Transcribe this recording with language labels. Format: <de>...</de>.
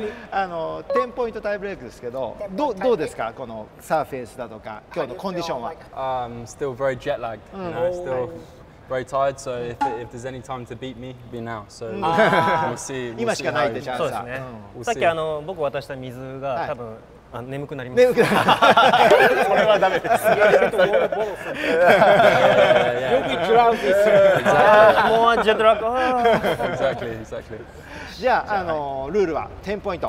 <ja>10ポイントタイブレイクですけど、どうですか、このサーフェイスだとか今日のコンディションは。</ja> <en>Still very jet lagged、うん、you know, still very tired, so if there's any time to beat me, it'll be now. So we'll see.</en> <ja>今しかないでしょ。そうですね。さっき僕渡した水が多分、はい、眠くなります。 眠くなる。それはダメです。</ja> <en>You'll be drunk this year. More jet lag. Exactly.</en> <ja>じゃあ、ルールは10ポイント。</ja>